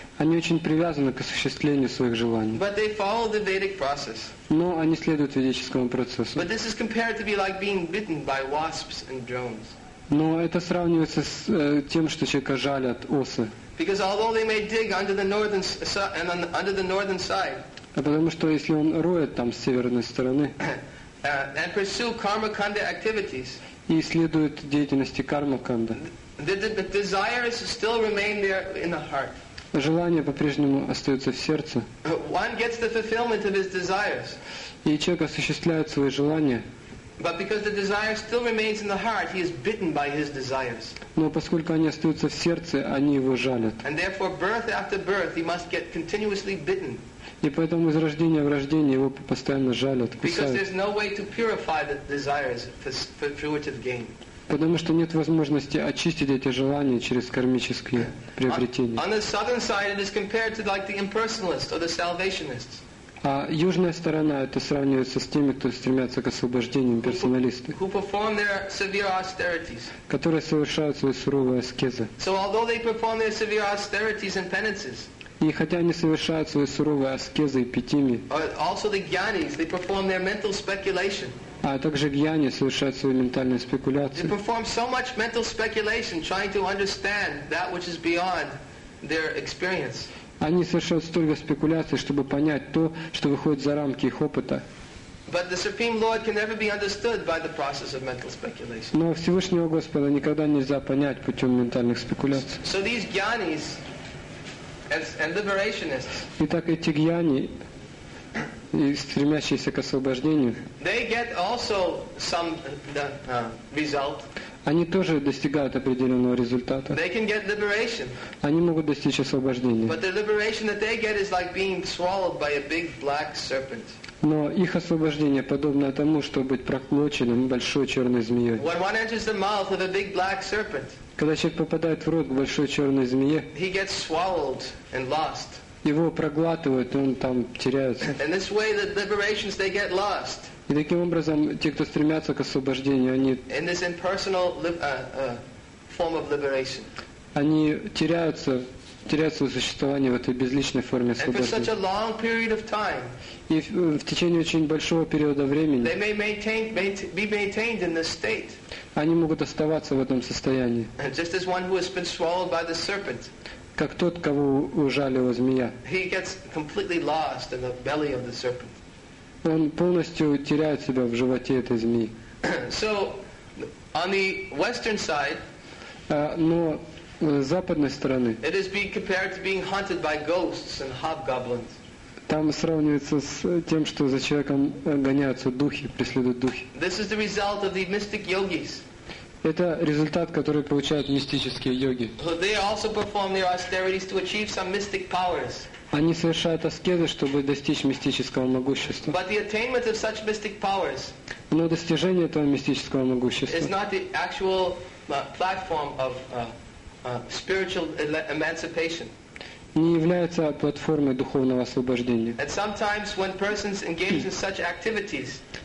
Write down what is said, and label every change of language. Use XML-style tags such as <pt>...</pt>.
<ru>Они очень привязаны к осуществлению своих желаний.</ru> <en>But they follow the Vedic process.</en> <ru>Но они следуют ведическому процессу.</ru> <en>But this is compared to be like being bitten by wasps and drones.</en> <ru>Но это сравнивается с тем, что человека жалят осы.</ru> <en>Because although they may dig under the northern, and under the northern side,</en> <ru>а потому что если он роет там с северной стороны</ru> <en>and pursue karma-kanda activities,</en> <ru>и следует деятельности карма-канда,</ru> <en>the desires still remain there in the heart.</en> <ru>Желание по-прежнему остается в сердце.</ru> <en>One gets the fulfillment of his desires.</en> <ru>И человек осуществляет свои желания.</ru> <en>But because the desire still remains in the heart, he is bitten by his desires.</en> <ru>Но поскольку они остаются в сердце, они его жалят.</ru> <en>And therefore, birth after birth, he must get continuously bitten.</en> <ru>И поэтому из рождения в рождение его постоянно жалят, кусают.</ru> <en>Because there's no way to purify the desires for fruitive gain.</en> <ru>Потому что нет возможности очистить эти желания через кармические приобретения.</ru> <en>On the southern side, it is compared to like the impersonalists or the salvationists.</en> <ru>А южная сторона это сравнивается с теми, кто стремятся к освобождению, персоналисты,</ru> <en>who perform their severe austerities,</en> <ru>которые совершают свои суровые аскезы.</ru> <en>So although they perform their severe austerities and penances,</en> <ru>и хотя они совершают свои суровые аскезы и питими,</ru> <en>also the gyanis, they perform their mental speculation.</en> <ru>А также гьяни совершают свои ментальные спекуляции.</ru> <en>They perform so much mental speculation, trying to understand that which is beyond their experience.</en> <ru>Они совершают столько спекуляций, чтобы понять то, что выходит за рамки их опыта.</ru> <en>But the Supreme Lord can never be understood by the process of mental speculation.</en> <ru>Но Всевышнего Господа никогда нельзя понять путем ментальных спекуляций.</ru> <en>So these gyanis and liberationists.</en> <ru>Итак, эти гьяни и стремящиеся к освобождению.</ru> <en>They get also some result.</en> <ru>Они тоже достигают определенного результата.</ru> <en>They can get liberation.</en> <ru>Они могут достичь освобождения.</ru> <en>But the liberation that they get is like being swallowed by a big black serpent.</en> <ru>Но их освобождение подобно тому, чтобы быть проглоченным большой черной змеей.</ru> <en>When one enters the mouth of a big black serpent,</en> <ru>когда человек попадает в рот к большой черной змее,</ru> <en>he gets swallowed and lost.</en> <ru>Его проглатывают, и он там теряется.</ru> <en>In this way, the liberations, they get lost.</en> <ru>И таким образом, те, кто стремятся к освобождению, они,</ru> <en>in this impersonal form of liberation,</en> <ru>они теряются, теряют свое существование в этой безличной форме освобождения.</ru> <en>And for such a long period of time,</en> <ru>и в течение очень большого периода времени</ru> <en>they may be maintained in this state,</en> <ru>они могут оставаться в этом состоянии.</ru> <en>Just as one who has been swallowed by the serpent,</en> <ru>как тот, кого ужалила змея.</ru> <en>He gets completely lost in the belly of the serpent.</en> <ru>Он полностью теряет себя в животе этой змеи.</ru> <en>So, on the western side,</en> <ru>но с западной стороны,</ru> <en>it is being compared to being hunted by ghosts and hobgoblins.</en> <ru>Там сравнивается с тем, что за человеком гоняются духи, преследуют духи.</ru> <en>This is the result of the mystic yogis.</en> <ru>Это результат, который получают мистические йоги.</ru> <en>They also perform their austerities to achieve some mystic powers.</en> <ru>Они совершают аскезы, чтобы достичь мистического могущества.</ru> <en>But the attainment of such mystic powers,</en> <ru>но достижение этого мистического могущества,</ru> <en>is not the actual platform of spiritual emancipation.</en> <ru>Не является платформой духовного освобождения.</ru> <en>And sometimes when persons engage in such activities,</en>